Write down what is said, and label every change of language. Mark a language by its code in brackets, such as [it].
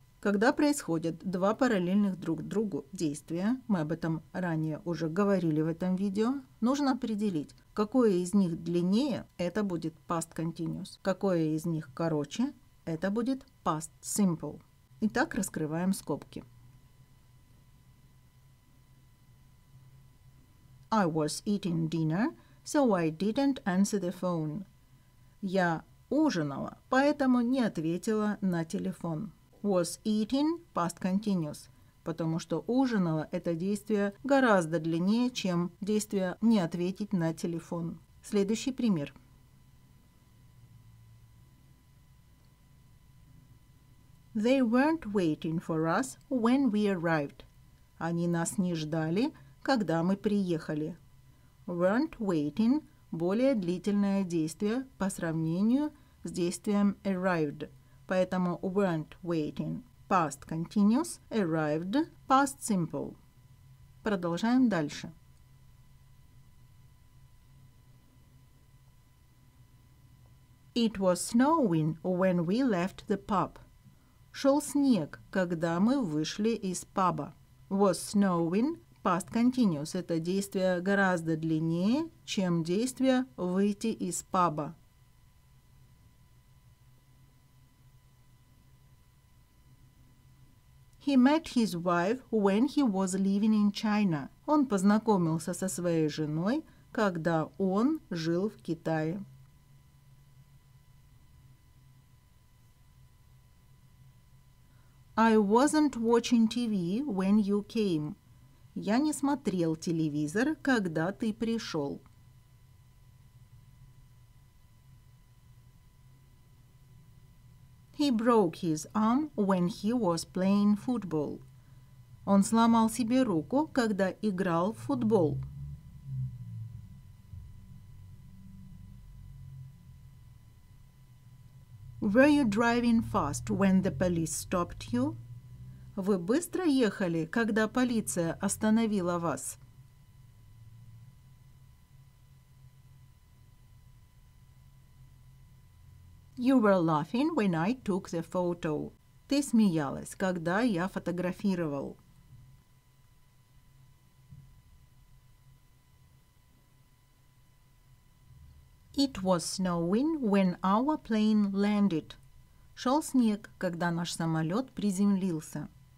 [ru] Когда происходят два параллельных друг другу действия, мы об этом ранее уже говорили в этом видео, нужно определить, какое из них длиннее, это будет past continuous, какое из них короче, это будет past simple. Итак, раскрываем скобки. [en] I was eating dinner, so I didn't answer the phone. [ru] Я ужинала, поэтому не ответила на телефон. [en] Was eating [ru] – past continuous, потому что ужинала – это действие гораздо длиннее, чем действие «не ответить на телефон». Следующий пример. [en] They weren't waiting for us when we arrived. [ru] Они нас не ждали, когда мы приехали. [en] Weren't waiting [ru] – более длительное действие по сравнению с действием arrived. Поэтому [en] weren't waiting [ru] – past continuous, arrived – past simple. Продолжаем дальше. [en] It was snowing when we left the pub. [ru] Шел снег, когда мы вышли из паба. [en] Was snowing – past continuous. [ru] Это действие гораздо длиннее, чем действие «выйти из паба». [en] He met his wife when he was living in China. [ru] Он познакомился со своей женой, когда он жил в Китае. [en] I wasn't watching TV when you came. [ru] Я не смотрел телевизор, когда ты пришел. [en] He broke his arm when he was playing football. [ru] Он сломал себе руку, когда играл в футбол. [en] Were you driving fast when the police stopped you? [ru] Вы быстро ехали, когда полиция остановила вас? [en] You were laughing when I took the photo. [ru] Ты смеялась, когда я фотографировал. [en] It was snowing when our plane landed. [ru] Шел снег, когда наш самолет приземлился.